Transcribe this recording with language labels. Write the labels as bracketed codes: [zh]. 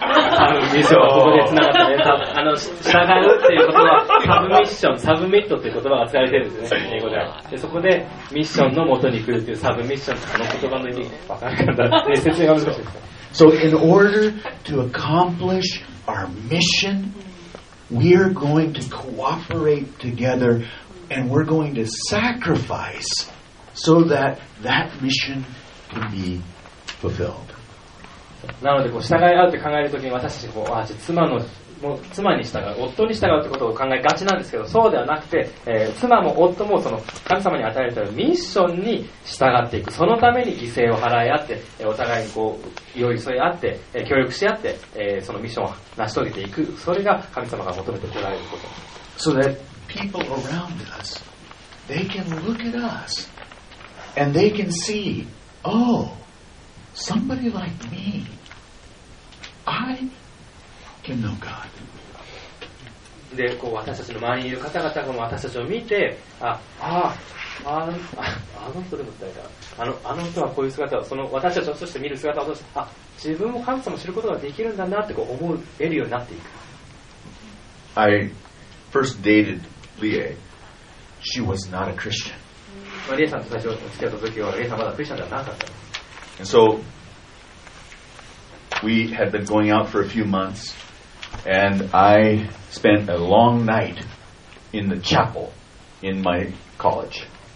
[ja] サブミッションはここでつながってね。あの従うっていう言葉はサブミッション、サブミットっていう言葉が使われてるんですね、英語では。でそこでミッションの元に来るっていうサブミッションってあの言葉の意味分かんなかったって説明が難しいです。 [en] So in order to accomplish our mission, we are going to cooperate together and we're going to sacrifice so that that mission can be fulfilled. [ja] なのでこう従い合うって考えるときに私たちこう妻のもう妻に従う夫に従うってことを考えがちなんですけど、そうではなくて、妻も夫もその神様に与えられたミッションに従っていく、そのために犠牲を払い合って、お互いにこう寄り添い合って、協力し合って、そのミッションを成し遂げていく、それが神様が求めてこられること。 [en] So that people around us they can look at us and they can see ohSomebody like me, I can know God. [ja] で、こう私たちの周りにいる方々が私たちを見て、あの人でも誰か、あの人はこういう姿を、その私たちを通して見る姿を通して、あ、自分も神様を知ることができるんだなってこう思えるようになっていく。 [en] I first dated Lie. She was not a Christian. [ja] Lie さんと最初付き合った時は、Lie さんまだクリスチャンではなかった。 [en] And so we had been going out for a few months, and I spent a long night in the chapel in my college.